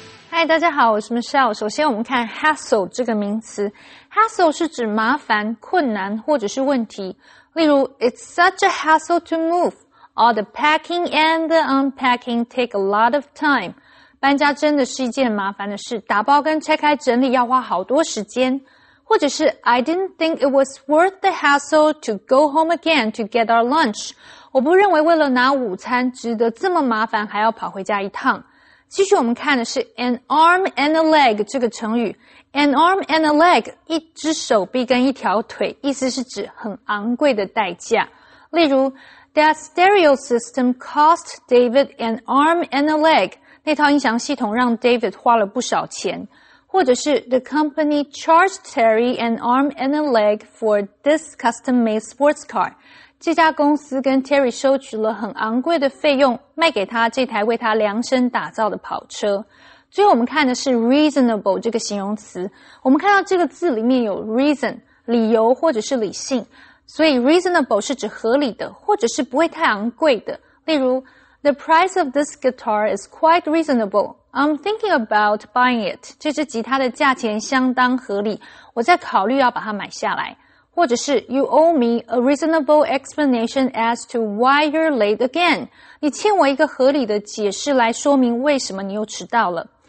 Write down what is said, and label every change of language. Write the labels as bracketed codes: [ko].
[zh] 嗨，大家好，我是 Michelle。首先，我们看 hassle 这个名词。 hassle 是指麻烦、困难或者是问题。例如 [en] ，It's such a hassle to move. All the packing and the unpacking take a lot of time. [zh] 搬家真的是一件麻烦的事，打包跟拆开整理要花好多时间。或者是 [en] I didn't think it was worth the hassle to go home again to get our lunch. [zh] 我不认为为了拿午餐值得这么麻烦，还要跑回家一趟。继续我们看的是 an arm and a leg 这个成语。 an arm and a leg 一只手臂跟一条腿，意思是指很昂贵的代价。例如 [en] ,that stereo system cost David an arm and a leg, [zh] 那套音响系统让 David 花了不少钱。或者是 [en] the company charged Terry an arm and a leg for this custom-made sports car。 [zh] 这家公司跟 Terry 收取了很昂贵的费用，卖给他这台为他量身打造的跑车。最后我们看的是 reasonable 这个形容词。我们看到这个字里面有 reason, 理由或者是理性。所以 reasonable 是指合理的或者是不会太昂贵的。例如 [en] ,the price of this guitar is quite reasonable. I'm thinking about buying it. [zh] 这支吉他的价钱相当合理，我在考虑要把它买下来。或者是 [en] You owe me a reasonable explanation as to why you're late again. [zh] 你欠我一个合理的解释来说明为什么你又迟到了。